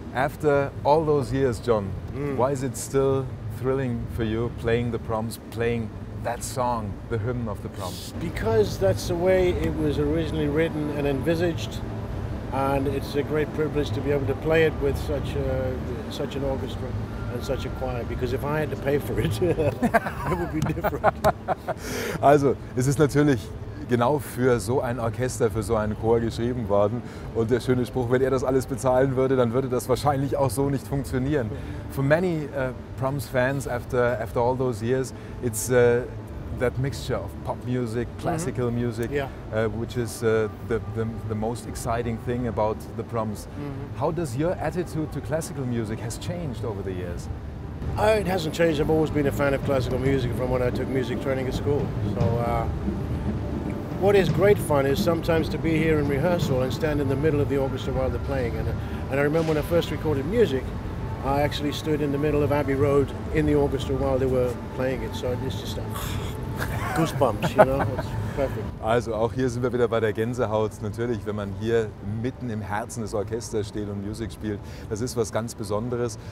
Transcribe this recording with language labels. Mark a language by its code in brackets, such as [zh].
[en] After all those years, John, why is it still thrilling for you playing the Proms, playing that song, the hymn of the Proms? Because that's the way it was originally written and envisaged, and it's a great privilege to be able to play it with such an orchestra and such a choir, because if I had to pay for it, it would be different. [de] Also, es ist natürlich genau für so ein Orchester, für so einen Chor geschrieben worden. Und der schöne Spruch, wenn er das alles bezahlen würde, dann würde das wahrscheinlich auch so nicht funktionieren. [en] For many Proms fans, after all those years, it's that mixture of pop music, classical music, which is the most exciting thing about the Proms. Mm-hmm. How does your attitude to classical music has changed over the years? It hasn't changed. I've always been a fan of classical music from when I took music training at school. So, what is great fun is sometimes to be here in rehearsal and stand in the middle of the orchestra while they're playing. And I remember when I first recorded music, I actually stood in the middle of Abbey Road in the orchestra while they were playing it. So it's just goosebumps, you know. It's perfect. [de] Also auch hier sind wir wieder bei der Gänsehaut. Natürlich, wenn man hier mitten im Herzen des Orchesters steht und Musik spielt, das ist was ganz Besonderes.